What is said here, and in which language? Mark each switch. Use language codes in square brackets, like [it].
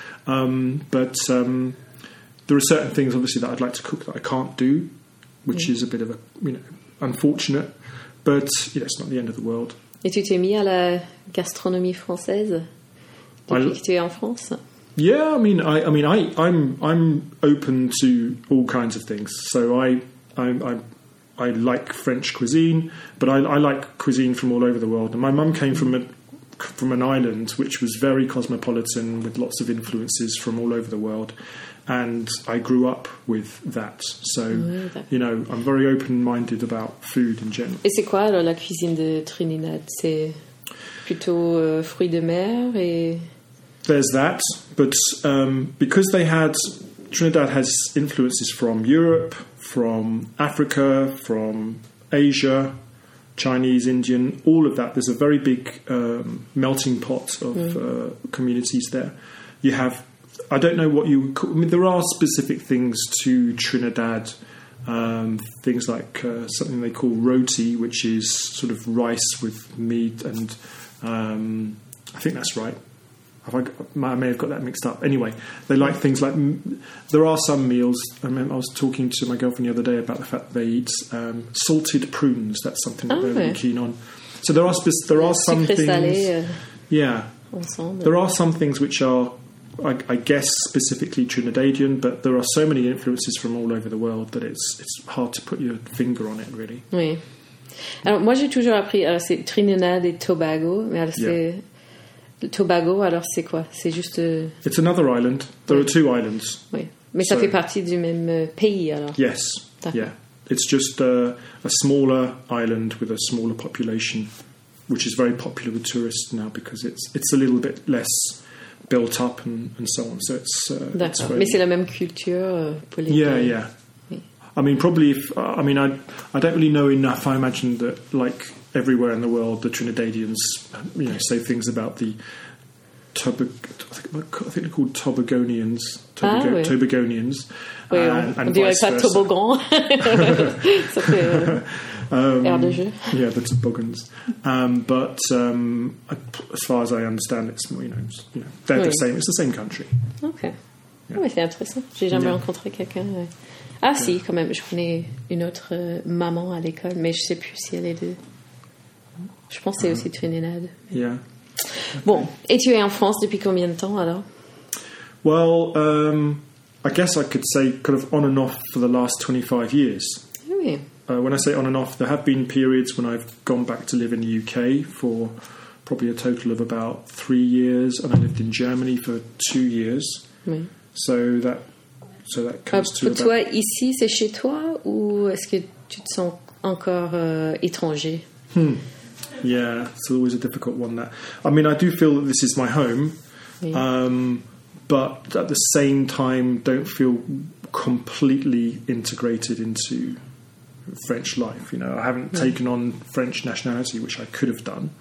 [en] But there are certain things, obviously, that I'd like to cook that I can't do, which is a bit of a, you know, unfortunate. But, you know, it's not the end of the world. [fr] Et tu t'es mis à la gastronomie française depuis que tu es en France? [en] Yeah, I'm open to all kinds of things. So I like French cuisine, but I like cuisine from all over the world. And my mum came from an island which was very cosmopolitan with lots of influences from all over the world, and I grew up with that. So you know, I'm very open-minded about food in general. [fr] Et c'est quoi alors la cuisine de Trinidad? C'est plutôt fruits de mer et... [en] There's that, but because they had, Trinidad has influences from Europe, from Africa, from Asia, Chinese, Indian, all of that. There's a very big melting pot of communities there. You have, I don't know what you would call, I mean, there are specific things to Trinidad, things like something they call roti, which is sort of rice with meat, and I think that's right. I may have got that mixed up. Anyway, they like things like... There are some meals. I was talking to my girlfriend the other day about the fact that they eat salted prunes. That's something that they're really keen on. So there are some things... [fr] Salé, [en] yeah. [fr] Ensemble. [en] There are some things which are, I guess, specifically Trinidadian, but there are so many influences from all over the world that it's hard to put your finger on it, really. [fr] Oui. Alors, moi, j'ai toujours appris... Alors, c'est Trinidad et Tobago, mais alors, c'est... Yeah. Tobago, alors c'est quoi? C'est juste... [en] It's another island. There are two islands. [fr] Oui. Mais ça fait partie du même pays, alors? [en] Yes. D'accord. Yeah. It's just a smaller island with a smaller population, which is very popular with tourists now because it's a little bit less built up and so on. So it's... [fr] D'accord. Mais c'est la même culture pour les... [en] Yeah, yeah. Oui. I mean, probably... I don't really know enough. I imagine that, like... Everywhere in the world, the Trinidadians, you know, say things about the I think they're called Tobagonians. Tobagonians. [fr] On dirait pas toboggan. [en] Yeah, the toboggans. But as far as I understand, it's more, you know, they're the same. It's the same country. [fr] Okay. Yeah. Oh, mais c'est intéressant. J'ai jamais rencontré quelqu'un. Ah, si, quand même. Je connais une autre maman à l'école, mais je sais plus si elle est de. Je pense que c'est aussi Trinidad. [en] Yeah. [fr] Bon, et tu es en France depuis combien de temps alors? [en] Well, I guess I could say kind of on and off for the last 25 years. [fr] Oui. [en] When I say on and off, there have been periods when I've gone back to live in the UK for probably a total of about 3 years, and I lived in Germany for 2 years. [fr] Oui. [en] So that So that comes to [fr] pour about... toi, ici, c'est chez toi ou est-ce que tu te sens encore étranger? [en] Hmm. Yeah, it's always a difficult one. That I mean, I do feel that this is my home, but at the same time, don't feel completely integrated into French life. You know, I haven't taken on French nationality, which I could have done.